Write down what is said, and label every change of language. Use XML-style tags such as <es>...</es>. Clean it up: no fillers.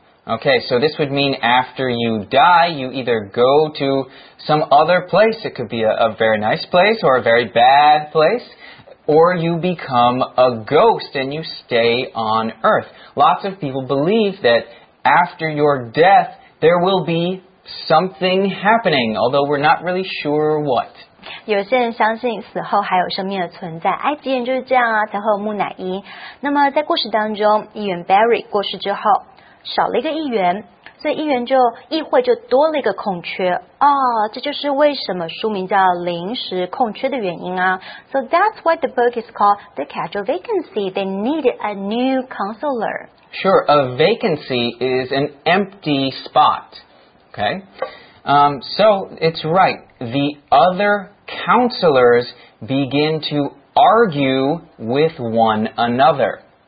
<en>Okay, so this would mean after you die, you either go to some other place, it could be a very nice place or a very bad place. Or you become a ghost and you stay on Earth. Lots of people believe that after your death, there will be something happening, although we're not really sure what.</en> <zh>有些人相信死后还有生命的存在，埃及人就是这样啊，才会有木乃伊。那么在故事当中，议员 Barry 过世之后，少了一个议员，所以议员就议会就多了一个空缺哦，这就是为什么书名叫临时空缺的原因啊。</zh> <en>So that's why the book is called The Casual Vacancy. They need a new counselor. Sure, a vacancy is an empty spot. Okay. So it's right. The other counselors begin to argue with one another.</en>